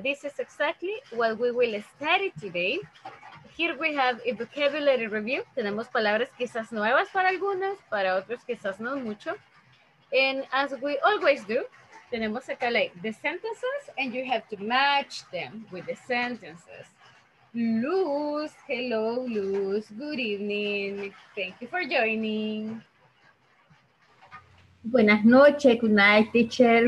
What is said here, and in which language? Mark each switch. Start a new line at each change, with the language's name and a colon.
English: This is exactly what we will study today. Here we have a vocabulary review.
Spanish: Tenemos palabras quizás nuevas para algunas, para otros quizás no mucho.
English: And as we always do,
Spanish: tenemos acá
English: like the sentences and you have to match them with the sentences. Luz, hello Luz, good evening, thank you for joining.
Spanish: Buenas noches,
English: good night teacher.